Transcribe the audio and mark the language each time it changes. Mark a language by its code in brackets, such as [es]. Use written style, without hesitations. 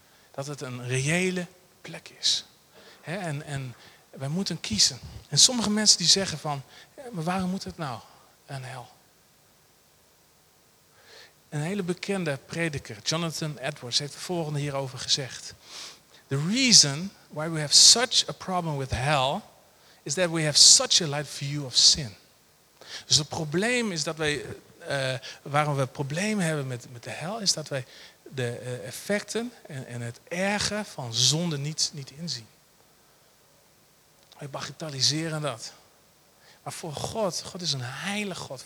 [nl] Dat het een reële plek is. En wij moeten kiezen. En sommige mensen die zeggen van, maar waarom moet het nou een hel? Een hele bekende prediker, Jonathan Edwards, heeft het volgende hierover gezegd. [en] The reason why we have such a problem with hell is that we have such a light view of sin. [nl] Dus het probleem is dat wij, waarom we problemen hebben met de hel, is dat wij de effecten en het erge van zonde niet inzien. Wij bagatelliseren dat. Maar voor God is een heilig God.